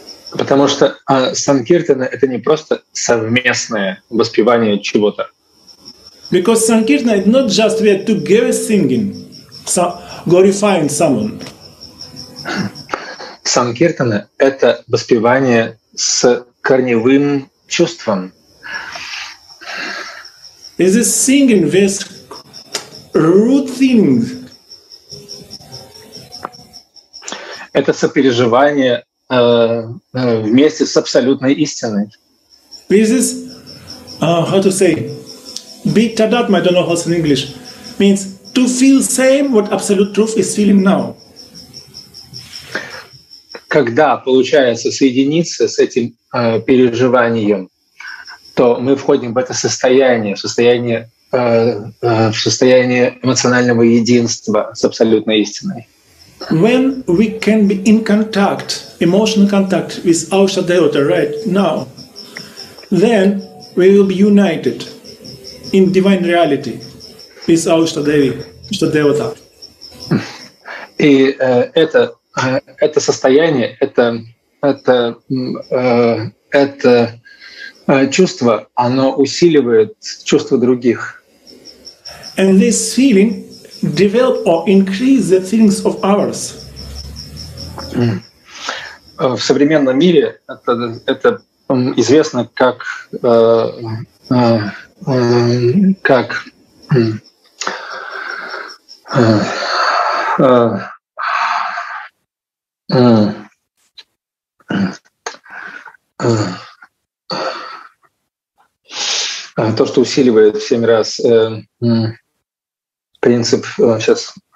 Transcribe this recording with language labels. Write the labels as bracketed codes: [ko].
[ru] Потому что санкиртана — это не просто совместное воспевание чего-то. [en] Because sankirtana is not just we are together singing, glorifying someone. [ru] Санкиртана — это воспевание с корневым чувством. [en] Is this singing this root thing? [ru] Это сопереживание вместе с абсолютной истиной. [en] This is how to say bitadatma, I don't know how it's in English, means to feel same what absolute truth is feeling now. [ru] Когда получается соединиться с этим переживанием, то мы входим в это состояние, в состояние эмоционального единства с абсолютной истиной. [en] When we can be in contact, emotional contact with Aksha Devata right now, then we will be united in divine reality with Aksha Devi, Aksha Devata. [ru] И это состояние, это чувство, оно усиливает чувства других. [en] And this feeling develop or increase the feelings of others. [ru] В современном мире это известно как то, что усиливает в 7 раз принцип сейчас